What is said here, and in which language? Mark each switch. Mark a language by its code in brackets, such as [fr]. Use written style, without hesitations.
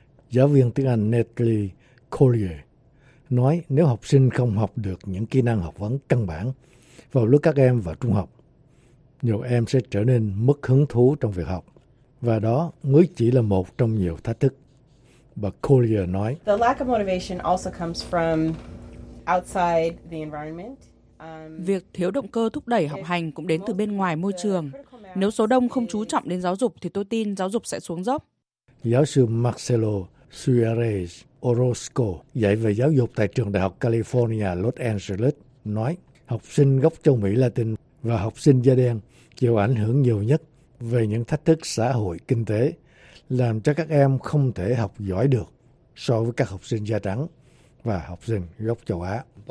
[vi] Giáo viên tiếng Anh Natalie Collier nói nếu học sinh không học được những kỹ năng học vấn căn bản vào lúc các em vào trung học, nhiều em sẽ trở nên mất hứng thú trong việc học. Và đó mới chỉ là một trong nhiều thách thức. Bà Collier nói, [en] the lack of motivation also comes from outside the environment. [vi] Việc thiếu động cơ thúc đẩy học hành cũng đến từ bên ngoài môi trường. Nếu số đông không chú trọng đến giáo dục thì tôi tin giáo dục sẽ xuống dốc. Giáo sư Marcelo Suarez Orozco dạy về giáo dục tại trường Đại học California, Los Angeles nói học sinh gốc châu Mỹ Latin và học sinh da đen chịu ảnh hưởng nhiều nhất về những thách thức xã hội kinh tế làm cho các em không thể học giỏi được so với các học sinh da trắng và học sinh gốc châu Á.